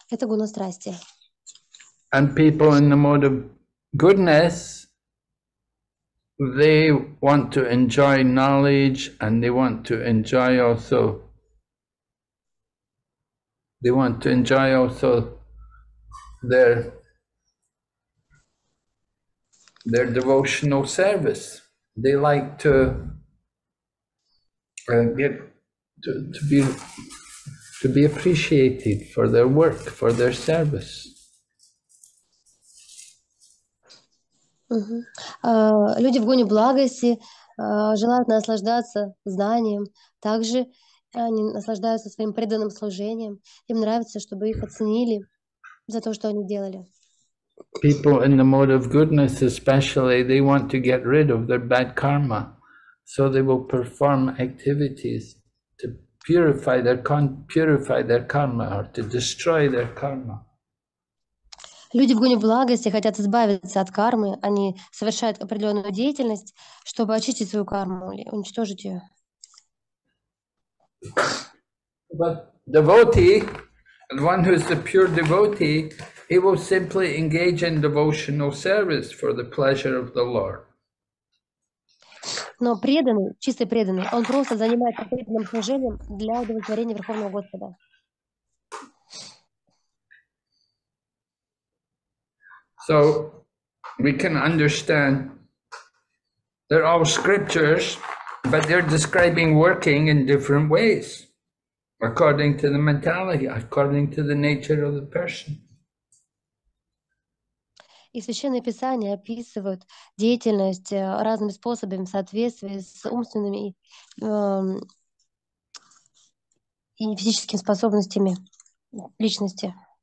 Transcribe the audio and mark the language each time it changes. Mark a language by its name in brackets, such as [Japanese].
[Russian] Это гуна страсти. [English] And people in the mode of goodness, they want to enjoy knowledge and they want to enjoy also, they want to enjoy also their devotional service. They like to get to be appreciated for their work, for their service. [Russian] Люди в гоне благости желают наслаждаться знанием, также они наслаждаются своим преданным служением. Им нравится, чтобы их оценили за то, что они делали. [English] People in the mode of goodness especially, they want to get rid of their bad karma, so they will perform activities to purify their karma or to destroy their karma. [Russian] Люди в гуне благости хотят избавиться от кармы. Они совершают определенную деятельность, чтобы очистить свою карму или уничтожить ее. [English] But devotee, one who is a pure devotee, he will simply engage in devotional service for the pleasure of the Lord. [Russian] Но преданный, чистый преданный, он просто занимается преданным служением для удовлетворения Верховного Господа. [English] So we can understand they're all scriptures, but they're describing working in different ways, according to the mentality, according to the nature of the person. [Russian] И священные писания описывают деятельность разными способами в соответствии с умственными и физическими способностями личности.